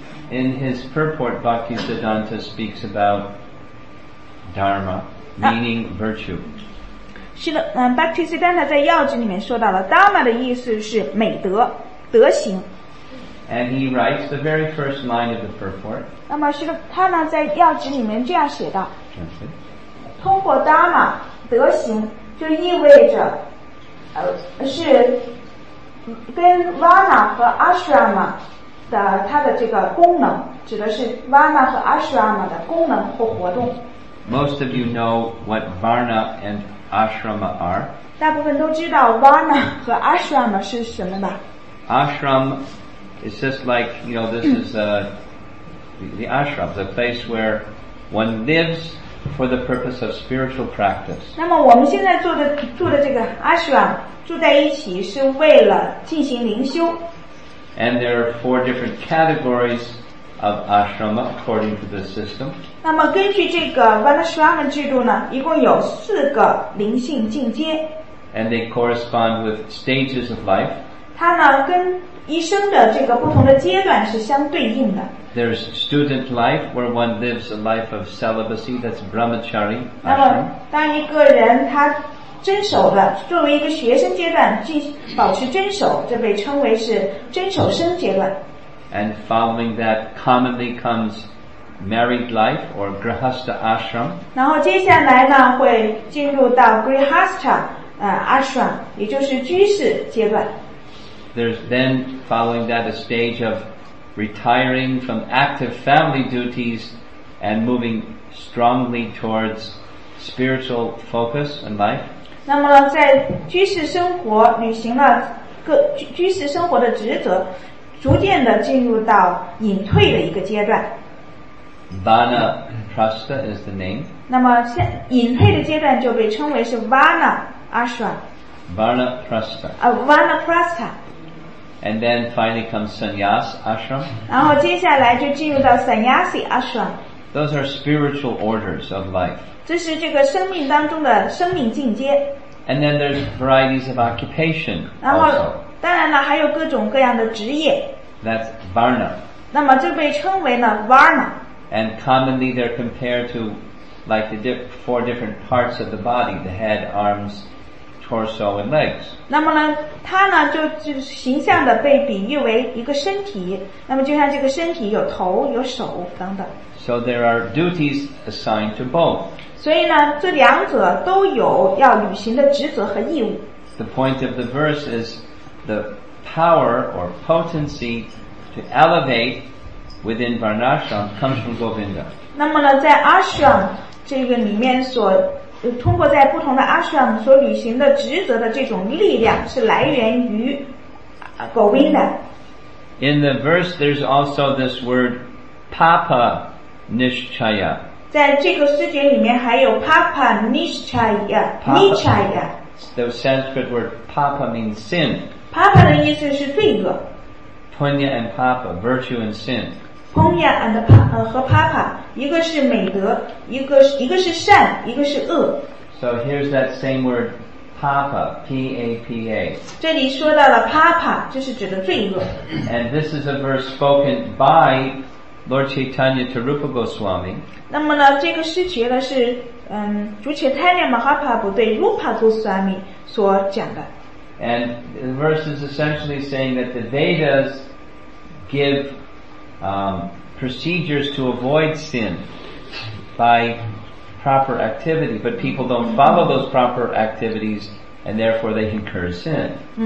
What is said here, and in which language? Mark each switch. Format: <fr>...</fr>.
<en>In his purport, Bhaktisiddhanta speaks about dharma, meaning virtue.</en> <zh>是的，Bhaktisiddhanta 在要旨里面说到了 dharma 的意思是美德，德行。</zh> <en>And he writes the very first line of the purport.</en> <zh>那么是他呢在要旨里面这样写的。通过 Dharma 德行就意味着是跟 Varna 和 Ashrama 的它的这个功能，指的是 Varna 和 Ashrama 的功能或活动。</zh> <en>Most of you know what Varna and Ashrama are.</en> <zh>大部分都知道 Varna 和 Ashrama 是什么吧。</zh> <en>Ashram It's just like, you know, this is the ashram, the place where one lives for the purpose of spiritual practice.</en> <zh>那么我们现在住的这个 ashram, 住在一起是为了进行灵修。</zh> <en>And there are four different categories of ashrama according to the system.</en> <zh>那么根据这个 Varnashrama 制度呢，一共有四个灵性境界。</zh> <en>And they correspond with stages of life.</en> <zh>它呢跟一生的这个不同的阶段是相对应的。</zh> <en>There's student life where one lives a life of celibacy, that's brahmachari.</en> <zh>那么当一个人他遵守的作为一个学生阶段保持遵守，这被称为是遵守生阶段。</zh> <en>And following that commonly comes married life or grihastha ashram.</en> <zh>然后接下来呢会进入到 grihastha ashram, 也就是居士阶段。</zh> <en>There's then following that a stage of retiring from active family duties and moving strongly towards spiritual focus in life.</en> <zh>那么在居士生活履行了各居士生活的职责，逐渐的进入到隐退的一个阶段。</zh> <en>Vanaprastha is the name.</en> <zh>那么隐退的阶段就被称为是 Vana Ashram.</zh> <sa>Vanaprastha. Vanaprastha.</sa> <en>And then finally comes sannyas ashram.</en> <zh>然后接下来就进入到 sannyasi ashram.</zh> <en>Those are spiritual orders of life.</en> <zh>这是这个生命当中的生命进阶。</zh> <en>And then there's varieties of occupation.</en> <zh>然后当然了，还有各种各样的职业。</zh> <en>That's varna.</en> <zh>那么就被称为呢 varna.</zh> <en>And commonly they're compared to like the four different parts of the body, the head, arms, torso, and legs.</en> <zh>那么呢，它呢就形象的被比喻为一个身体。那么就像这个身体有头有手等等。</zh> <en>So there are duties assigned to both.</en> <zh>所以呢，这两者都有要履行的职责和义务。</zh> <en>The point of the verse is the power or potency to elevate within Varnashram comes from Govinda.</en> <zh>那么呢，在 Ashram 这个里面所通过在不同的 Ashram 所履行的职责的这种力量是来源于 Govinda.</zh> <en>In the verse, there's also this word Papa Nishchaya.</en> <zh>在这个诗节里面还有 Papa Nishchaya.</zh> <sa>Papa. Nishchaya.</sa> <en>The Sanskrit word papa means sin.</en> <zh>Papa 的意思是罪恶。</zh> <en>Punya and papa, virtue and sin. Punya and papa,</en> <zh>和 papa, 一个是美德，一个是善，一个是恶。</zh> <en>So here's that same word, papa, P-A-P-A.</en> <zh>这里说到了 papa, 就是指的罪恶。</zh> <en>And this is a verse spoken by Lord Chaitanya to Rupa Goswami.</en> <zh>那么呢，这个诗节呢是主且泰涅马哈帕布对卢帕多斯阿米所讲的。</zh> <en>And the verse is essentially saying that the Vedas give procedures to avoid sin by proper activity, but people don't follow those proper activities, and therefore they incur sin.</en>